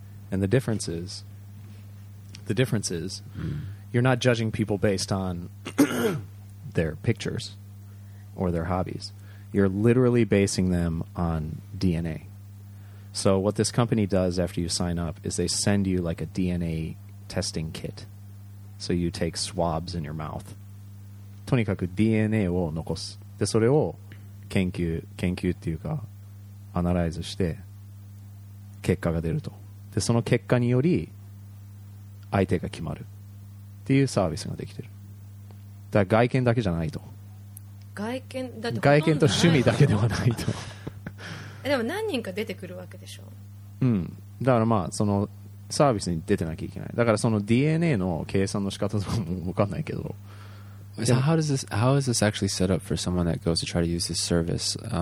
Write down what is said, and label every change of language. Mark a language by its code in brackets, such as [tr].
[en] And the difference is, you're not judging people based on their pictures or their hobbies. You're literally basing them on DNA. So what this company does after you sign up is they send you like a DNA testing kit. So you take swabs in your mouth. [ja] とにかく DNA を残す。で、それを研究っていうか、アナライズして、結果が出ると。で、その結果により、相手が決まる。っていうサービスができてる。だから外見だけじゃないと。外見と趣味だけではないと。でも何人か出てくるわけでしょ。うん。だからまあ、その、サービスに出てなきゃいけない。だからその DNA の計算の仕方とかも分かんないけど。 [en] So how is this actually set up for someone that goes to try to use this service?